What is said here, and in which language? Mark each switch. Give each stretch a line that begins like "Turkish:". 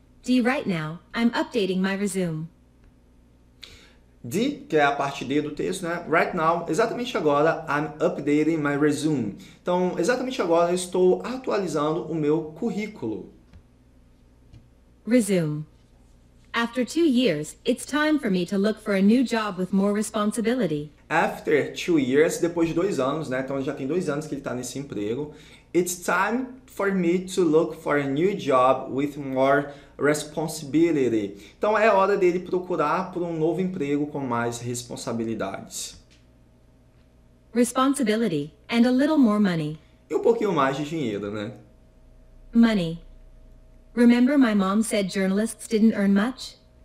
English: D right now, I'm updating my resume.
Portuguese: D, que é a parte D do texto, né?
English: Right now,
Portuguese: exatamente agora,
English: I'm updating my resume.
Portuguese: Então, exatamente agora, eu estou atualizando o meu currículo.
English: Resume. After 2 years, it's time for me to look for a new job with more responsibility. After 2 years,
Portuguese: depois de 2 anos, né? Então, já tem 2 anos que ele está nesse emprego.
English: It's time for me to look for a new job with more responsibility.
Portuguese: Então, é hora dele procurar por um novo emprego com mais responsabilidades.
English: Responsibility and a little more money.
Portuguese: E um pouquinho mais de dinheiro, né?
English: Money. Remember my mom said journalists didn't earn much?